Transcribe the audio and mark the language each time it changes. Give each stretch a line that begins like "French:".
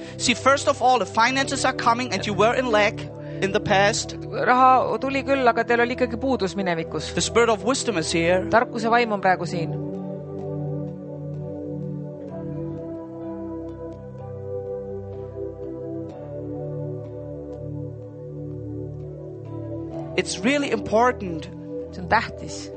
English: See, first of all, the finances are coming and you were in lack in the past.
Estonian: Raha tuli küll, aga teil oli ikkagi puudus minevikus.
English: The spirit of wisdom is here.
Estonian: Tarkuse vaim on praegu siin.
English: It's really important.
Estonian: See on tähtis.